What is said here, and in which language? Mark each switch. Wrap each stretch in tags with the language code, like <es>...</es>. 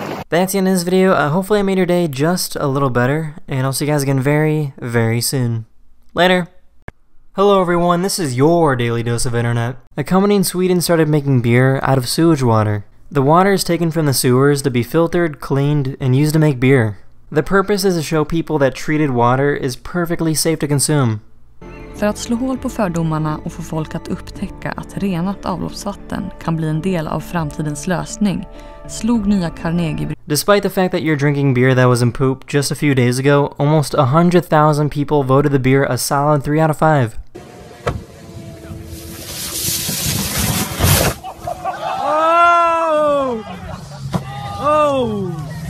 <en>That's the end of this video. Hopefully I made your day just a little better, and I'll see you guys again very, very soon. Later! Hello everyone, this is your daily dose of internet. A company in Sweden started making beer out of sewage water. The water is taken from the sewers to be filtered, cleaned, and used to make beer. The purpose is to show people that treated water is perfectly safe to consume.</en> <sv>För att slå hål på fördomarna och få folk att upptäcka att renat avloppsvatten kan bli en del av framtidens lösning, slog nya Carnegie.</sv> <en>Despite the fact that you're drinking beer that was in poop just a few days ago, almost 100,000 people voted the beer a solid 3 out of 5. Oh! Oh!</en>